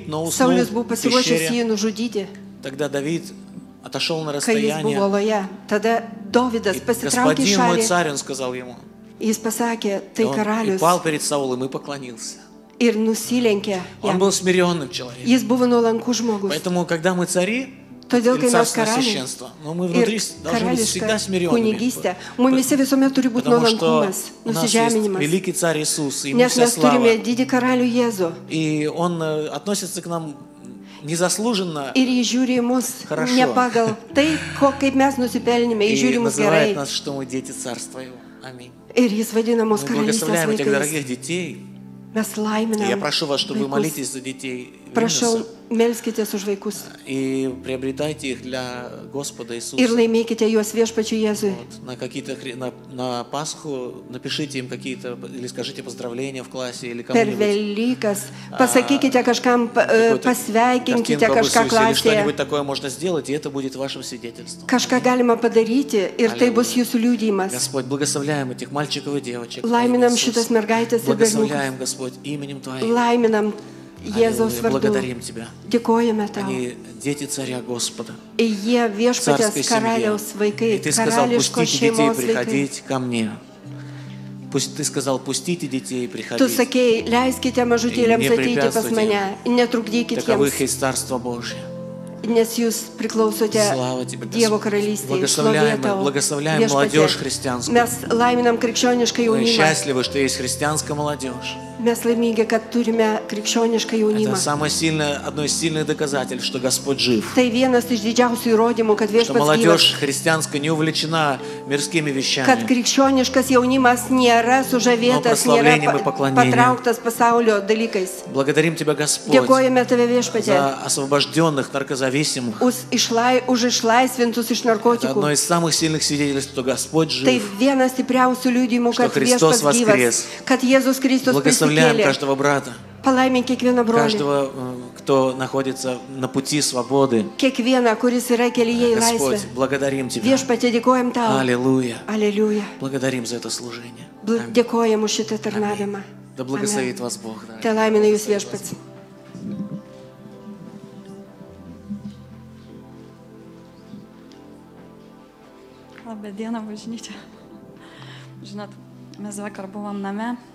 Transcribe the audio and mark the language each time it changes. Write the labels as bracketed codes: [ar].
[lt] Saulius buvo pasiruošęs jį nužudyti. Kai jis buvo oloje, tada Davidas pasitraukė į šalį. Ir jis pasakė jam. Jis pasakė, tai karalius. [ru] И пал перед Саулом и поклонился. [lt] Ir nusilenkė. [ru] Он был смиренным человеком. [lt] Jis buvo nuolankus žmogus. [ru] Поэтому, когда мы цари, [lt] Todėl, кай mes karaliai, [ru] но мы внутри должны быть всегда смиренными. [lt] Kunigystė. Мумисе visuomet turi būti nuolankumas, nusižeminimas. [ru] Великий царь Иисус, и [lt] Нес мы turime didį karalių Jėzų. [ru] И он относится к нам незаслуженно. [lt] Ir jis žiūri į mus [ru] хорошо. [lt] Не pagal tai, kaip mes nusipelnime, jis žiūri mus gerai. [ru] Нас, что мы дети царства его. Аминь. [lt] Ir jis vadina mus karalystės vaikais. Mes laiminam. [ru] Я прошу вас, чтобы вы молитесь за детей. Прошу, [lt] melskitės už vaikus. [ru] И приобретайте их для Господа Иисуса. [lt] Ir laimėkite juos viešpačiui Jėzui. [ru] На Пасху напишите им какие-то или скажите поздравления в классе или кому-нибудь. [lt] Per Velykas pasakykite kažkam pasveikinkite kažką [ru] классе. Что-нибудь такое можно сделать, и это будет вашим свидетельством. [lt] Kažką galima padaryti ir tai bus jūsų liudijimas. [ru] Господь, благословляем этих мальчиков и девочек. [lt] Laiminam šitas mergaites ir berniukus. [ru] Благословляем, Господь, именем Твоим. [lt] Laiminam Jėzaus vardu. [ru] Благодарим Тебя. [lt] Dėkojame Tau. [ru] Они дети царя Господа. [lt] И jie viešpatės karaliaus vaikai. [ru] И Ты сказал, пустите детей приходить ко мне. Ты сказал, пустите детей приходить. [lt] Tu sakėj, leiskite mažutėliams ateiti pas mane. Netrukdykit jiems. [ru] Таковых есть Царство Божие. [lt] Nes jūs priklausote Dievo karalystėje. [ru] Благословляем молодежь христианскую. [lt] Mes laiminam krikščionišką jaunimą. [ru] Мы счастливы, что есть христианская молодежь. [lt] Mes laimingi, kad turime krikščionišką jaunimą. [ru] Это самое сильное, одно из сильных доказательств, что Господь жив. [lt] Tai vienas iš didžiausių įrodymų, kad viešpats [ru] Что молодежь христианская не увлечена мирскими вещами. [lt] Kad krikščioniškas jaunimas nėra sužavėtas, нėра patrauktas pasaulio dalykais. [ru] Благодарим тебя, Господь. [lt] Dėkojame [ru] тебе, [lt] Viešpatie. [ru] За освобожденных, наркозависимых. [lt] Už išlaisvintus iš narkotikų. [ru] Это одно из самых сильных свидетельств, что Господь жив. [lt] Tai vienas stipriausių liudijimų, kad [ru] Христос воскрес. [lt] Kad Jėzus Kristus prisikėlė. [ru] Благословляем каждого брата. [lt] Palaimink kiekvieną brolį. [ru] Каждого, кто находится на пути свободы. [lt] Kiekvieną, kuris yra kelyje į laisvę. [ru] Господь, благодарим тебя. [lt] Viešpatie, dėkojam tau. [ru] Аллилуйя. Аллилуйя. Благодарим за это служение. [lt] Dėkojam už šitą tarnavimą. [ru] Да благословит вас Бог. [lt] Te laimina jūs Viešpats. Labą dieną, bažnyčia. Žinot, mes vakar buvom name.